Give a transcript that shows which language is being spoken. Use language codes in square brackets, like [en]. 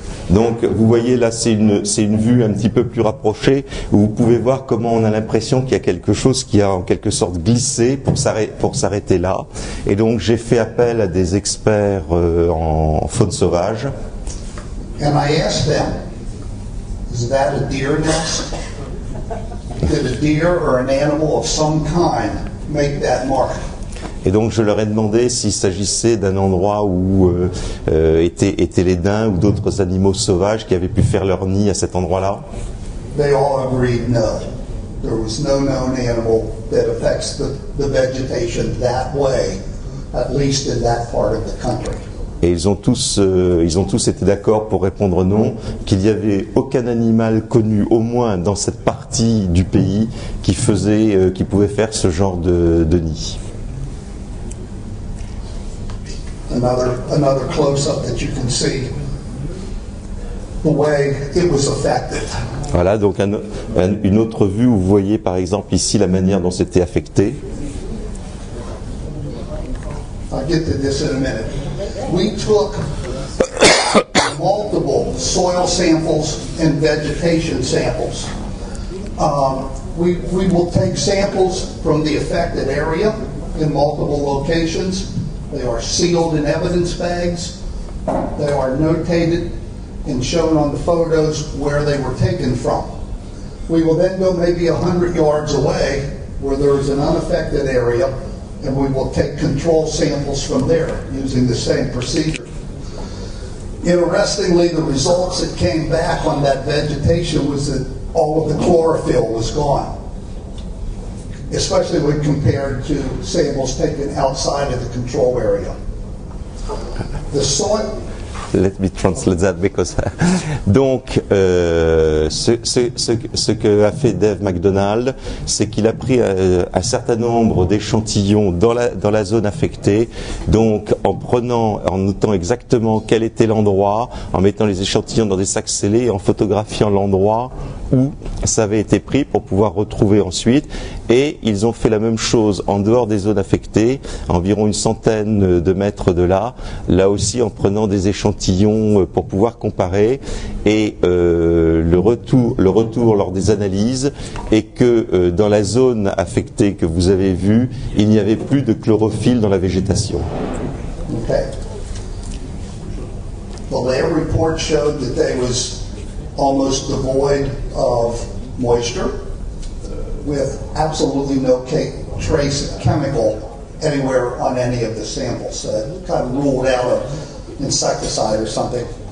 [fr] Donc, vous voyez là, c'est une vue un petit peu plus rapprochée où vous pouvez voir comment on a l'impression qu'il y a quelque chose qui a en quelque sorte glissé pour s'arrêter là. Et donc, j'ai fait appel à des experts en faune sauvage. [en] And I asked them, is that a deer nest? Did a deer or an animal of some kind make that mark? [fr] Et donc je leur ai demandé s'il s'agissait d'un endroit où étaient les daims ou d'autres animaux sauvages qui avaient pu faire leur nid à cet endroit-là. [en] They all agreed no. There was no known animal that affects the vegetation that way at least in that part of the country. [fr] Et ils ont tous été d'accord pour répondre non, qu'il n'y avait aucun animal connu, au moins dans cette partie du pays, qui pouvait faire ce genre de nid. [en] Another close-up that you can see the way it was affected. [fr] Voilà, donc une autre vue où vous voyez par exemple ici la manière dont c'était affecté. [en] I'll get to this in a minute. We took multiple soil samples and vegetation samples. We will take samples from the affected area in multiple locations. They are sealed in evidence bags. They are notated and shown on the photos where they were taken from. We will then go maybe 100 yards away where there is an unaffected area, and we will take control samples from there using the same procedure. Interestingly, the results that came back on that vegetation was that all of the chlorophyll was gone, especially when compared to samples taken outside of the control area. The soil. Let me translate that because. [fr] Donc, ce que a fait Dave MacDonald, c'est qu'il a pris un certain nombre d'échantillons dans la zone affectée. Donc, en notant exactement quel était l'endroit, en mettant les échantillons dans des sacs scellés, en photographiant l'endroit où ça avait été pris pour pouvoir retrouver ensuite. Et ils ont fait la même chose en dehors des zones affectées, environ une centaine de mètres de là, là aussi en prenant des échantillons pour pouvoir comparer. Et le retour lors des analyses est que dans la zone affectée que vous avez vue, il n'y avait plus de chlorophylle dans la végétation. [en] Okay. The layer report showed that there was almost devoid of moisture, with absolutely no trace of chemical anywhere on any of the samples. So it kind of ruled out an insecticide or something.